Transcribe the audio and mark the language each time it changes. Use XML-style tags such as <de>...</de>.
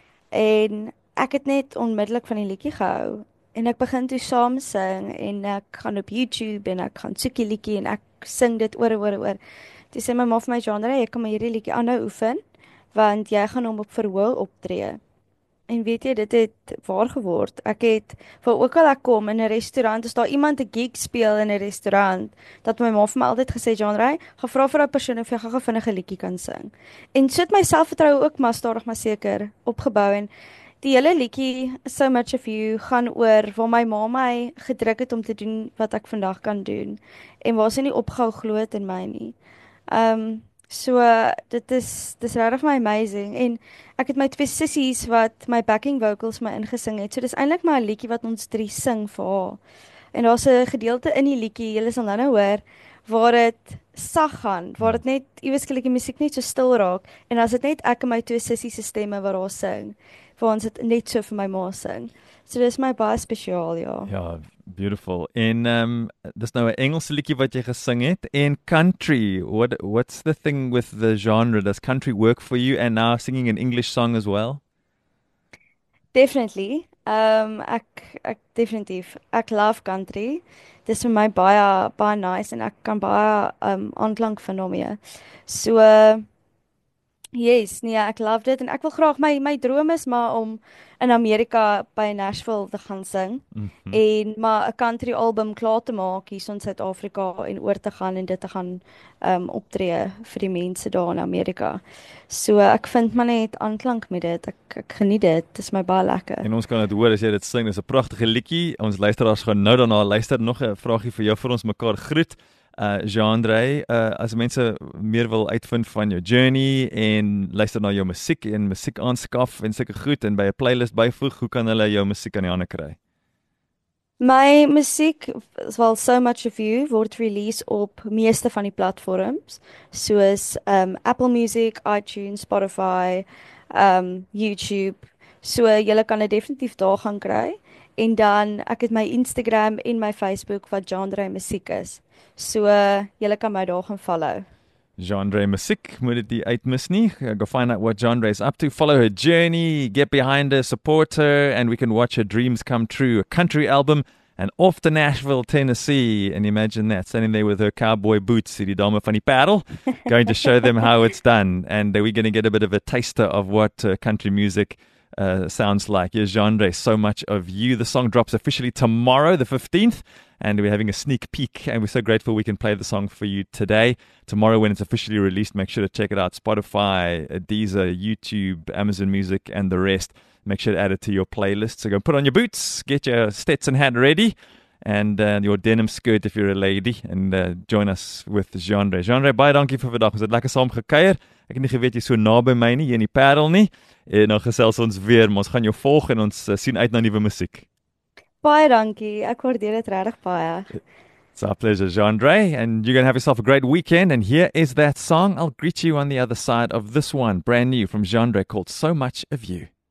<af>En ek het net onmiddellik van die liedjie gehou en ek begin toe saam sing en ek gaan op YouTube en ek gaan soek die liedjie en ek sing dit oor en oor en oor. Toe sê my ma vir my, Jandré, jy kan maar hierdie liedjie aanhou oefen want jy gaan hom op verhoog optree. En weet jy, dit het waar geword. Ek het, vir ook al ek kom in 'n restaurant, as daar iemand 'n gig speel in 'n restaurant, dat my ma vir my altyd gesê, "Jandré, gaan vra vir daai persoon of jy gou-gou vinnige liedjie kan sing." En so het my selfvertroue ook maar stadig maar seker opgebou en die hele liedjie So Much of You gaan oor waar my ma my gedruk het om te doen wat ek vandag kan doen en waar sy nie opgehou glo het in my nie. So dis regtig my amazing en ek het my twee sissies wat my backing vocals my ingesing het. So dis eintlik maar 'n liedjie wat ons drie sing vir haar. En daar's 'n gedeelte in die liedjie, julle sal nou hoor, waar dit sag gaan, waar dit net iewesklik die musiek net so stil raak en dan's dit net ek en my twee sissies se stemme wat daar sing, waar ons dit net so vir my ma sing. So dis my baie spesiaal, ja. Ja, beautiful. En dis nou 'n Engelse liedjie wat jy gesing het en country.</af> <en>What's the thing with the genre? Does country work for you and now singing an English song as well? Definitely.</en> <af>Ek definitief. Ek love country. Dis vir my baie nice en ek kan baie aanklank vind daarmee. So yes, nee, ek love dit en ek wil graag my droom is maar om in Amerika by Nashville te gaan sing en maar 'n country album klaar te maak hier in Suid-Afrika en oor te gaan en dit te gaan optree vir die mense daar in Amerika. So ek vind maar net aanklank met dit. Ek geniet dit. Dit is my baie lekker. En ons kan dit hoor as jy dit sing. Dis 'n pragtige liedjie. Ons luisteraars gaan nou daarna luister. Nog 'n vragie vir jou vir ons mekaar groet. Jandré, as mense meer wil uitvind van jou journey en luister na jou musiek en musiek aanskaf en sulke goed en by 'n playlist byvoeg, hoe kan hulle jou musiek aan die hande kry? My musiek, well, So Much of You, word release op meeste van die platforms soos Apple Music, iTunes, Spotify, YouTube. So jy kan dit definitief daar gaan kry. En dan ek het my Instagram en my Facebook wat genre musiek is. So jy kan my daar gaan follow. Genre musiek moet dit uitmis nie.</af> <en>Go find out what genre is up to. Follow her journey, get behind her, support her, and we can watch her dreams come true. A country album and off to Nashville, Tennessee. And imagine that, standing there with her cowboy boots,</en> <af>die dame van die paddle,</af> <en>going to show them how it's done. And we're going to get a bit of a taster of what country music sounds like. Your genre, So Much of You. The song drops officially tomorrow, the 15th. And we're having a sneak peek, and we're so grateful we can play the song for you today. Tomorrow, when it's officially released, make sure to check it out. Spotify, Deezer, YouTube, Amazon Music, and the rest. Make sure to add it to your playlist. So go put on your boots, get your Stetson hat ready, and your denim skirt if you're a lady, and join us with Jandré.</en> <af>Jandré, baie dankie vir vandag. Ons het lekker saam gekuier. Ek het nie geweet jy so naby my nie, hier in die Parel nie. En dan gesels ons weer, maar ons gaan jou volg en ons sien uit na nuwe musiek. Baie dankie. Ek waardeer dit regtig baie.</af> <en>It's our pleasure, Jandré. And you're going to have yourself a great weekend. And here is that song. I'll greet you on the other side of this one. Brand new from Jandré called So Much of You.</en>